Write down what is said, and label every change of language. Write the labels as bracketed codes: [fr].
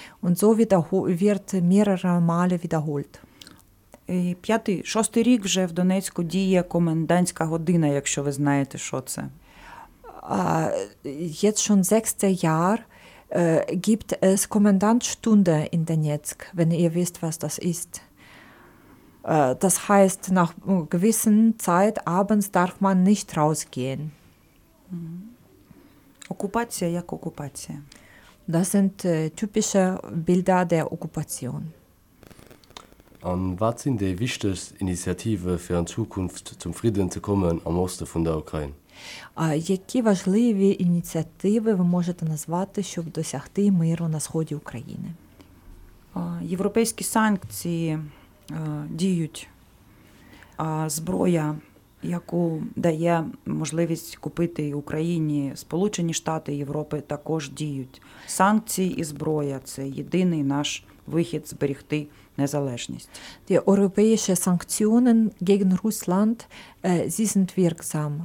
[de] Und so wird mehrere Male wiederholt. [uk] Шостий рік вже в Донецьку діє комендантська година, якщо ви знаєте, що це. [de] Jetzt schon 6. Jahr gibt es Kommandantstunde in Donetsk, wenn ihr wisst, was das ist. Das heißt, nach gewissen Zeit abends darf man nicht rausgehen. [uk] Окупація як окупація. [de] Das sind typische Bilder der Okkupation. Und was sind die wichtigsten Initiativen für eine Zukunft zum Frieden zu kommen am Osten von der Ukraine? [uk] Які важливі ініціативи ви можете назвати, щоб досягти миру на сході України? Європейські санкції діють. Зброя, яку дає можливість купити Україні Сполучені Штати Європи, також діють. Санкції і зброя – це єдиний наш вихід зберегти Незалежність. [de] Die europäischen Sanktionen gegen Russland, sie sind wirksam.